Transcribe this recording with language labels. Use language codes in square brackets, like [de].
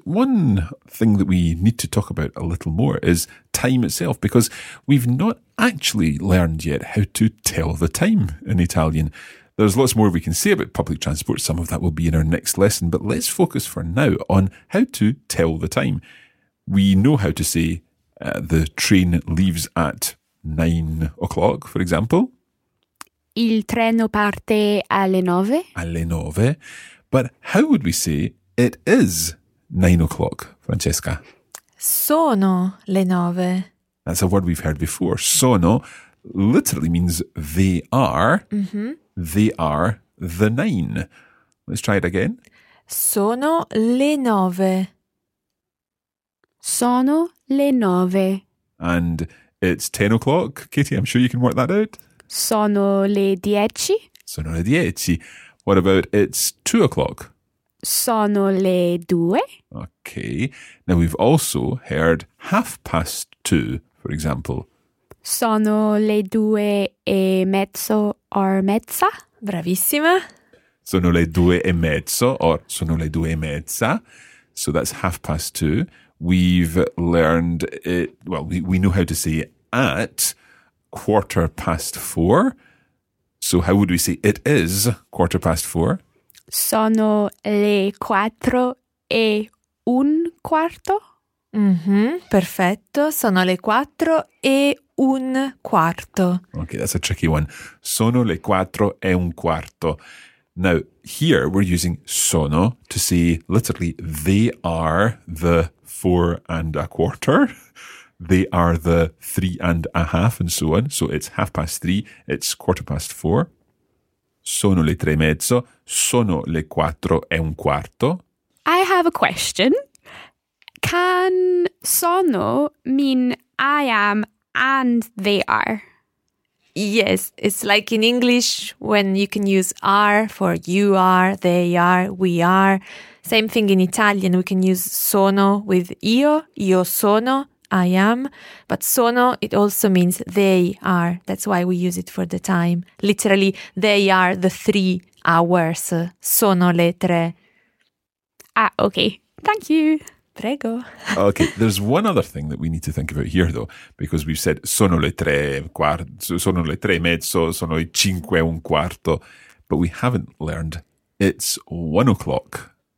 [en] One thing that we need to talk about a little more is time itself, because we've not actually learned yet how to tell the time in Italian. There's lots more we can say about public transport. Some of that will be in our next lesson, but let's focus for now on how to tell the time. We know how to say the train leaves at 9 o'clock, for example. [it] Il treno parte alle nove. Alle nove. [en] But how would we say it is 9 o'clock, Francesca? [it] Sono le nove. [en] That's a word we've heard before. Sono literally means they are. Mm-hmm. They are the nine. Let's try it again. [it] Sono le nove. Sono le nove. [en] And it's 10 o'clock. Katie, I'm sure you can work that out. [it] Sono le dieci. Sono le dieci. [en] What about it's 2 o'clock? [it] Sono le due. [en] Okay. Now, we've also heard half past two, for example. [it] Sono le due e mezzo or mezza. Bravissima. Sono le due e mezzo or sono le due e mezza. [en] So that's half past two. We've learned it, well, we know how to say at 4:15. So how would we say it is 4:15? [it] Sono le 4:15. Mm-hmm, perfetto. Sono le 4:15. [en] Okay, that's a tricky one. [it] Sono le 4:15. [en] Now, here we're using sono to say literally they are the 4:15. They are the 3:30 and so on. So it's 3:30. It's 4:15. [it] Sono le 3:30. Sono le 4:15. [en] I have a question. Can sono mean I am and they are? Yes, it's like in English when you can use are for you are, they are, we are. Same thing in Italian. We can use sono with io, [it] io sono, [en] I am. But sono, it also means they are. That's why we use it for the time. Literally, they are the 3 hours. [it] Sono le tre. [en] Ah, okay. Thank you. [it] Prego. [en] Okay, there's one other thing that we need to think about here, though, because we've said [it] sono le tre quarto, sono le tre mezzo, sono le 5:15, [en] but we haven't learned it's 1 o'clock.